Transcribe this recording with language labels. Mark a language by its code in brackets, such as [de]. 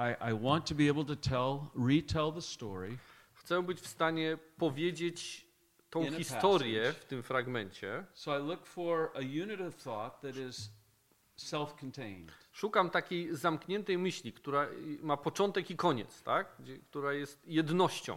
[en] I want to be able to retell the story. [pl] Chcę być w stanie powiedzieć tą historię w tym fragmencie. [en] So I look for a unit of thought that is self-contained. [pl] Szukam takiej zamkniętej myśli, która ma początek i koniec, tak? Która jest jednością.